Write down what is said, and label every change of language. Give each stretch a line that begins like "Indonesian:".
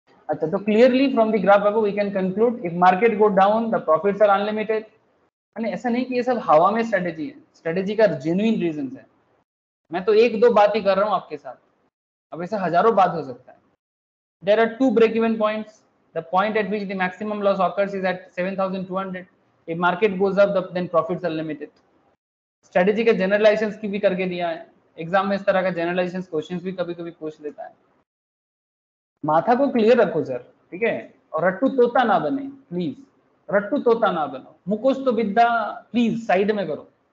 Hindi: अच्छा तो clearly from the graph above we can conclude if market go down the profits are unlimited, माने ऐसा नहीं कि ये सब हवा में स्ट्रेटेजी है, स्ट्रेटेजी का जेन्युइन रीजंस है, मैं तो एक दो बात ही कर रहा हूँ आपके साथ, अब ऐसे हजारों बात हो सकता है। There are to break even points the
English: The point at which the maximum loss occurs is at 7,200. If market goes up, then profits are limited.
Hindi: Strategy के generalizations की भी करके दिया है. Exam में इस तरह का generalizations questions भी कभी-कभी पूछ लेता है. माथा को clear रखो सर, ठीक है? और रट्टू तोता ना बने, please. रट्टू तोता ना बनो. मुकोस्तो विद्या, please side में करो.